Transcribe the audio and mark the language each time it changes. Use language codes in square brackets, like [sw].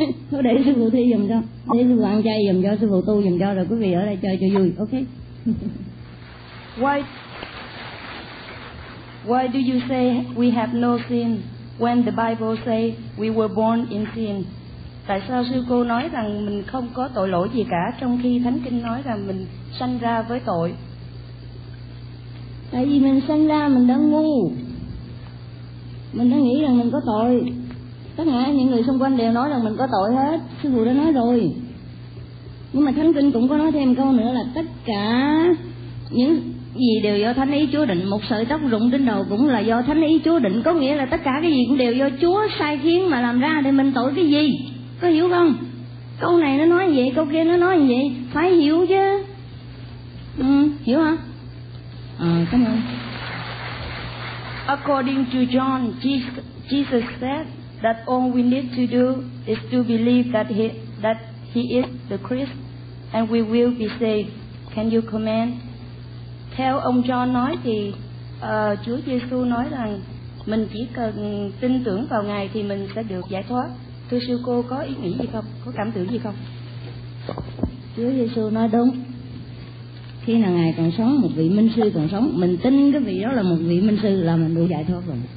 [vi] Tôi để sư phụ thi giùm cho, để sư phụ ăn chay giùm cho, sư phụ tu giùm cho, rồi quý vị ở đây chơi cho vui, ok? [en] Why do you say we have no sin when the Bible say we were born in sin? [vi] Tại sao sư cô nói rằng mình không có tội lỗi gì cả, trong khi Thánh Kinh nói rằng mình sanh ra với tội? Tại vì mình sanh ra mình đã ngu, mình đã nghĩ rằng mình có tội. Tất cả những người xung quanh đều nói rằng mình có tội hết, sư phụ đã nói rồi. Nhưng mà Thánh Kinh cũng có nói thêm câu nữa là tất cả những gì đều do Thánh ý Chúa định. Một sợi tóc rụng trên đầu cũng là do Thánh ý Chúa định. Có nghĩa là tất cả cái gì cũng đều do Chúa sai khiến mà làm ra, thì mình tội cái gì? Có hiểu không? Câu này nó nói vậy, câu kia nó nói vậy, phải hiểu chứ. Ừ, hiểu hả? Ờ, cảm ơn. [en] According to John, Jesus said that all we need to do is to believe that he is the Christ, and we will be saved. Can you comment? [vi] Theo ông John nói thì Chúa Giêsu nói rằng mình chỉ cần tin tưởng vào Ngài thì mình sẽ được giải thoát. Thưa sư cô, có ý nghĩ gì không? Có cảm tưởng gì không? Chúa Giêsu nói đúng. Khi nào Ngài còn sống, một vị minh sư còn sống, mình tin cái vị đó là một vị minh sư là mình được giải thoát rồi.